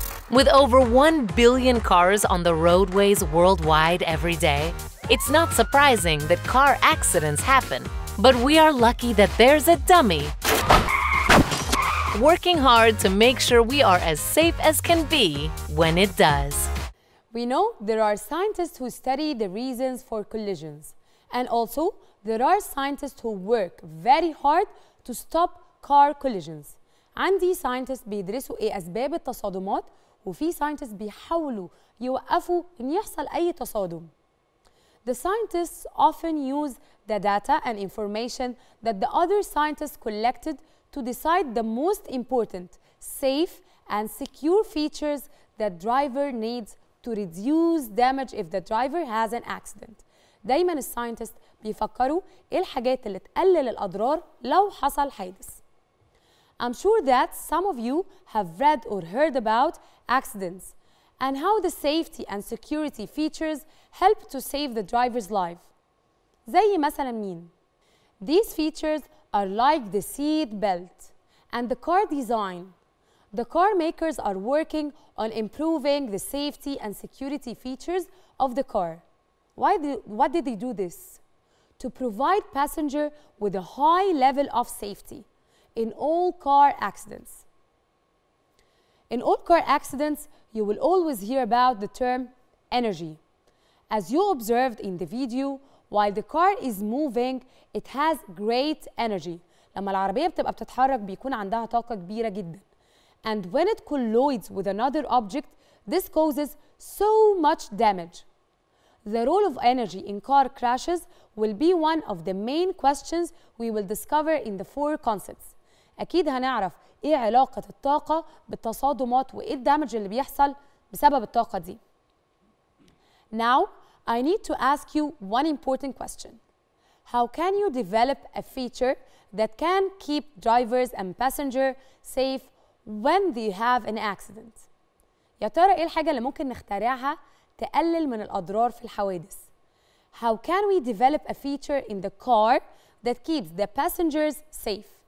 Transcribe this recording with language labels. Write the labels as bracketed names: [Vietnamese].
[English] With over 1 billion cars on the roadways worldwide every day, it's not surprising that car accidents happen, but we are lucky that there's a dummy working hard to make sure we are as safe as can be when it does. We know there are scientists who study the reasons for collisions, and also there are scientists who work very hard to stop car collisions. [Arabic] عندي scientists بيدرسوا ايه أسباب التصادمات وفي scientists بيحاولوا يوقفوا إن يحصل أي تصادم. [English] The scientists often use the data and information that the other scientists collected to decide the most important, safe, and secure features that driver needs to reduce damage if the driver has an accident. [Arabic] دايما الساينتست بيفكروا ايه الحاجات اللي تقلل الاضرار لو حصل حادث. [English] I'm sure that some of you have read or heard about accidents and how the safety and security features help to save the driver's life. [Arabic] زي مثلا مين؟ [English] These features are like the seat belt and the car design. the car makers are working on improving the safety and security features of the car. What did they do this? To provide passengers with a high level of safety in all car accidents. In all car accidents, you will always hear about the term energy. As you observed in the video, while the car is moving, it has great energy. [Arabic] لما العربية بتبقى بتتحرك بيكون عندها طاقة كبيرة جدا. [English] And when it collides with another object, this causes so much damage. The role of energy in car crashes will be one of the main questions we will discover in the four concepts. [Arabic] أكيد هنعرف إيه علاقة الطاقة بالتصادمات وإيه الدمج اللي بيحصل بسبب الطاقة دي. [English] Now, I need to ask you one important question. How can you develop a feature that can keep drivers and passengers safe when they have an accident? [Arabic] يا ترى إيه الحاجة اللي ممكن نخترعها تقلل من الأضرار في الحوادث؟ [English] How can we develop a feature in the car that keeps the passengers safe?